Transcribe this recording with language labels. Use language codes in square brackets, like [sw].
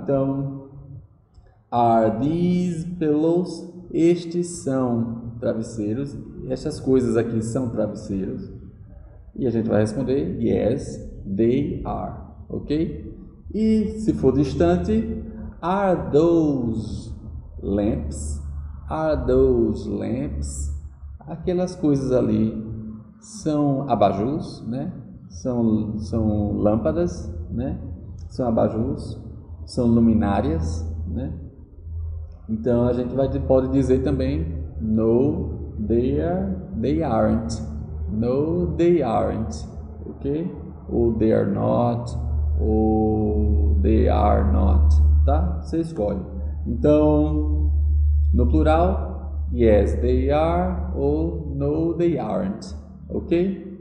[pt] Então, [en] are these pillows? [pt] Estes são travesseiros. Estas coisas aqui são travesseiros. E a gente vai responder [en] yes, they are, [pt] ok? E se for distante, [en] are those lamps? Are those lamps? [pt] Aquelas coisas ali são abajus, né? São lâmpadas, né? São abajus, são luminárias, né? Então a gente pode dizer também [en] no, they aren't. No, they aren't. [pt] Ok? [en] ou they are not, ou they are not, tá? [pt] Você escolhe. Então, no plural, [en] yes, they are, [pt] ou [en] no, they aren't, [pt] ok?